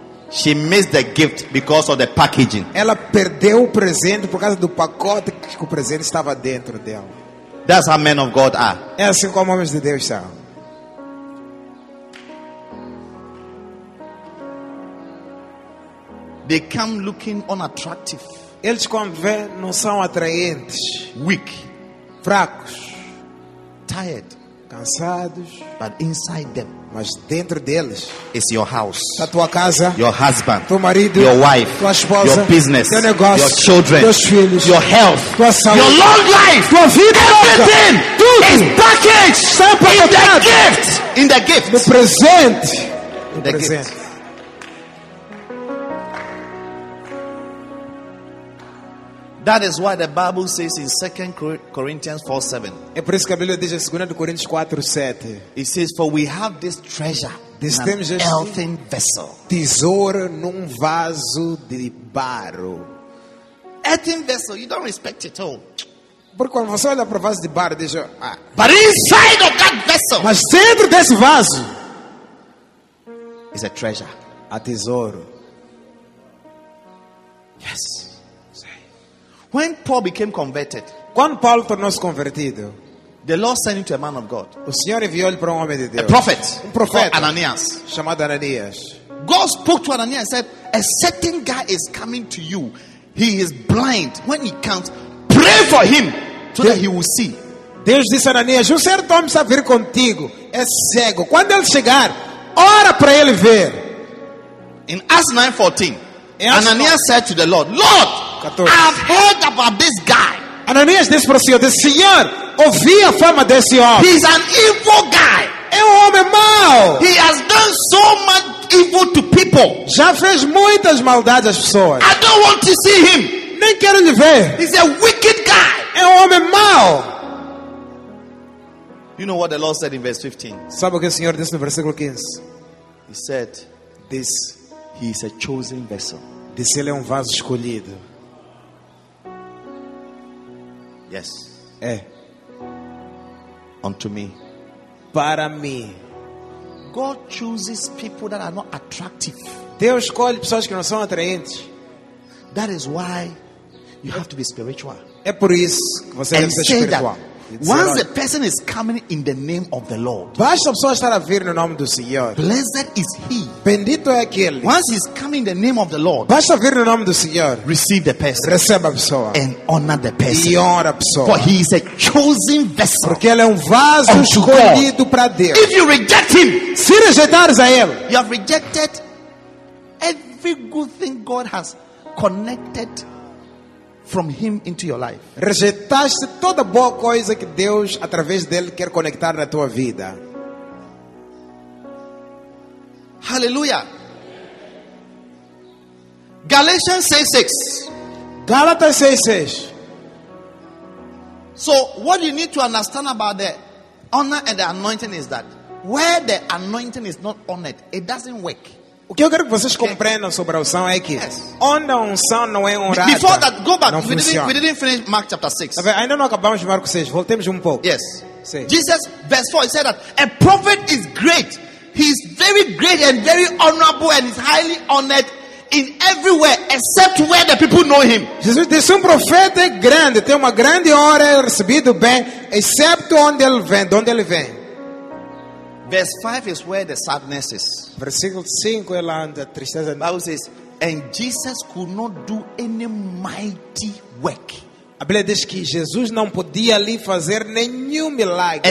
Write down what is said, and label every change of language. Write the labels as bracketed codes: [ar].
[en] She missed the gift because of the packaging. [pt] Ela perdeu o presente por causa do pacote que o presente estava dentro dela. [en] That's how men of God are. [pt] É assim como homens de Deus são. [en] They come looking unattractive. [pt] Eles quando vêm não são atraentes. [en] Weak. [pt] Fracos. [en] Tired. [pt] Cansados. [en] But inside them. [pt] Mas dentro deles [en] is your house, [pt] a tua casa, [en] your husband, [pt] teu marido, [en] your wife, [pt] tua esposa, [en] your business, [pt] teu negócio, [en] your children, [pt] teus filhos, [en] your health, [pt] tua saúde, [en] your long life, [pt] tua vida, [en] everything, [pt] tudo [en] is packaged in the gift, in the gift, [pt] no presente, [en] in the gift. That is why the Bible says in 2 Corinthians 4:7. [pt] É por isso que a Bíblia diz em 2 Coríntios 4:7. [en] It says, "For we have this treasure in an earthen vessel." [pt] Tesouro num vaso de barro. [en] Earthen vessel, you don't respect it all. [pt] Porque quando você olha para o vaso de barro, diz, [en] But inside of that vessel. [pt] Mas dentro desse vaso [en] is a treasure, [pt] a tesouro. [en] Yes. When Paul became converted, [pt] quando Paulo tornou-se convertido, [en] the Lord sent him to a man of God. [pt] O Senhor enviou-lhe para um homem de Deus. [en] A prophet, [pt] um profeta, [en] Ananias, [pt] chamado Ananias. [en] God spoke to Ananias and said, "A certain guy is coming to you. He is blind. When he comes, pray for him so that he will see." [pt] Deus disse a Ananias, "Um certo homem está a vir contigo. É cego. Quando ele chegar, ora para ele ver." [en] In Acts 9:14, Ananias said to the Lord, "Lord, I've heard about this guy." [pt] Ananias disse para o Senhor, disse, "Senhor, ouvi a fama desse homem. [en] He's an evil guy. [pt] É um homem mau. [en] He has done so much evil to people. [pt] Já fez muitas maldades às pessoas. [en] I don't want to see him. [pt] Nem quero lhe ver. [en] He's a wicked guy. [pt] É um homem mau." [en] You know what the Lord said in verse 15? [pt] Sabe o que o Senhor disse no versículo 15? [en] He said, "This he is a chosen vessel." [pt] Disse, ele é um vaso escolhido. [en] Yes. [pt] É. [en] Unto me. [pt] Para me. [en] God chooses people that are not attractive. [pt] Deus escolhe pessoas que não são atraentes. [en] That is why you have to be spiritual. [pt] É por isso que você deve ser espiritual. [en] Once a person is coming in the name of the Lord, [pt] basta a pessoa estar a vir no nome do Senhor. [en] Blessed is he. [pt] Bendito é aquele. [en] Once he's coming in the name of the Lord, [pt] basta vir no nome do Senhor. [en] Receive the person. [pt] Receba a pessoa. [en] And honor the person. [pt] E honra a pessoa. [en] For he is a chosen vessel. [pt] Porque ele é um vaso escolhido para Deus. [en] If you reject him, [pt] se rejeitares a ele, [en] you have rejected every good thing God has connected from him into your life. [pt] Rejeitaste toda boa coisa que Deus através dele quer conectar na tua vida. [en] Hallelujah. Galatians 6:6. Galatians 6:6. So what you need to understand about the honor and the anointing is that where the anointing is not honored, it doesn't work. [pt] O que eu quero que vocês compreendam sobre a unção é que [en] yes, [pt] onde a unção não é honrada, [en] before that, go back. We didn't finish Mark chapter 6. [pt] Ainda não acabamos Marcos 6. Voltemos um pouco. [en] Yes. [pt] Sim. [en] Jesus, verse 4, he said that a prophet is great. He is very great and very honorable and is highly honored in everywhere except where the people know him. [pt] Jesus disse, um profeta é grande, tem uma grande honra, é recebido bem, excepto onde ele vem. Onde ele vem. [en] Verse 5 is where the sadness is. [pt] Versículo 5 é lá onde a tristeza. [en] The Bible says, and Jesus could not do any mighty work. [pt] A Bíblia diz que Jesus não podia ali fazer nenhum milagre.